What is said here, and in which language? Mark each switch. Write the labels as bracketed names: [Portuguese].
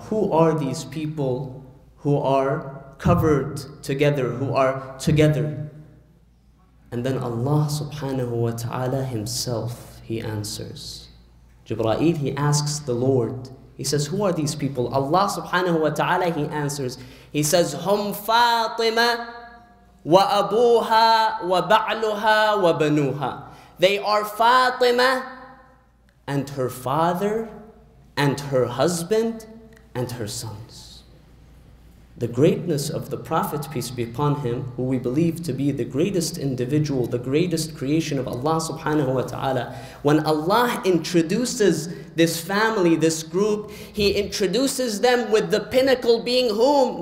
[English] Who are these people who are covered together, who are together? And then Allah subhanahu wa ta'ala himself, he answers. Jibra'il, he asks the Lord, he says, who are these people? Allah subhanahu wa ta'ala, he answers. He says, [Arabic] هم فاطمة وأبوها وبعلها وبنوها. [English] They are Fatima and her father and her husband and her sons. The greatness of the Prophet, peace be upon him, who we believe to be the greatest individual, the greatest creation of Allah subhanahu wa ta'ala, when Allah introduces this family, this group, he introduces them with the pinnacle being whom?